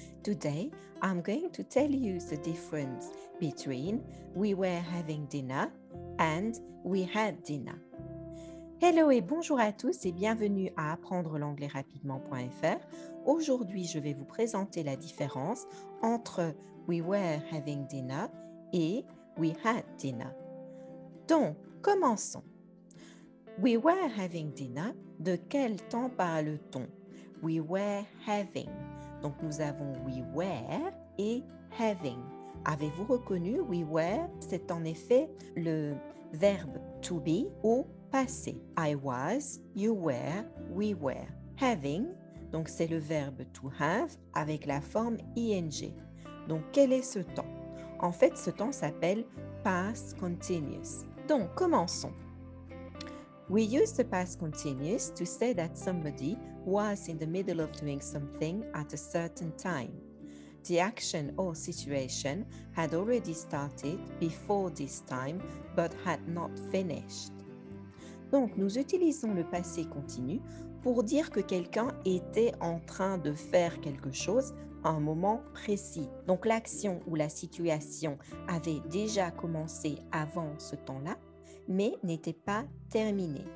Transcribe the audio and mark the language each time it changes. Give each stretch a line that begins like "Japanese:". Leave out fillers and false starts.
English: Today I'm going to tell you the difference between we were having dinner and we had dinner.
French: Hello et bonjour à tous et bienvenue à apprendrelanglaisrapidement.fr. Aujourd'hui, je vais vous présenter la différence entre
English: we were having dinner
French: et
English: we had dinner.
French: Donc, commençons.
English: We were having dinner.
French: De quel temps parle-t-on?
English: We were having.
French: Donc nous avons
English: we were
French: et
English: having.
French: Avez-vous reconnu we were? C'est en effet le verbe to be au passé.
English: I was, you were, we were. Having,
French: donc c'est le verbe
English: to have
French: avec la forme
English: ing.
French: Donc quel est ce temps? En fait, ce temps s'appelle past continuous. Donc commençons.
English: We use the past continuous to say that somebody was in the middle of doing something at a certain time. The action or situation had already started before this time, but had not finished.
French: Donc, nous utilisons le passé continu pour dire que quelqu'un était en train de faire quelque chose à un moment précis. Donc, l'action ou la situation avait déjà commencé avant ce temps-là, mais n'était pas terminé.